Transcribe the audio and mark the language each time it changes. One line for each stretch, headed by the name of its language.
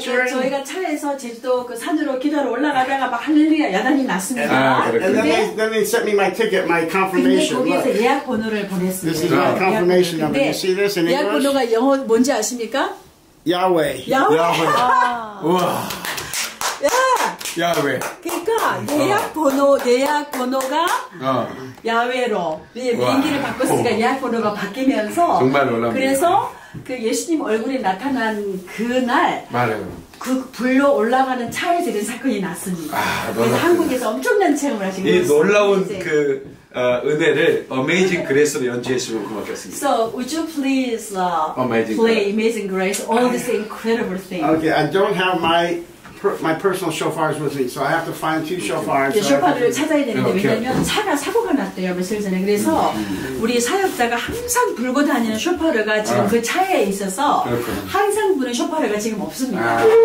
Korean: 저희가 차에서 제주도 그 산으로 기도하러 올라가다가 막 할렐루야 야단이 났습니다.
English: And then they sent me my ticket, my confirmation.
Korean: 근데 거기에서 예약 번호를 보냈습니다.
English: This is my confirmation number. You see this in English?
Korean: 예약 번호가 영어 뭔지 아십니까?
English: Yahweh.
Korean: 우와. 야. 야외. 그러니까 예약 번호가 야외로 비행기를 바꿨으니까 예약 번호가 바뀌면서 정말 놀랍네요. 그래서 그 예수님 얼굴이 나타난 그날 말해요. 그 불로 올라가는 차에 대한 사건이 났습니다. 아, 그래서 한국에서 엄청난 체험을 하신 거죠. 이 놀라운 그 은혜를 Amazing Grace로 연주해 주시면 고맙겠습니다.
English: So would you please play Amazing Grace, all these incredible things? Okay, I don't have my personal shofars with me, so I have to find two shofars.
Korean: 네, 쇼파를 찾아야 되는데 왜냐면 차가 사고가 났대요 며칠 전에. 그래서 우리 사역자가 항상 불고 다니는 쇼파르가 지금 그 차에 있어서 항상 부는 쇼파르가 지금 없습니다.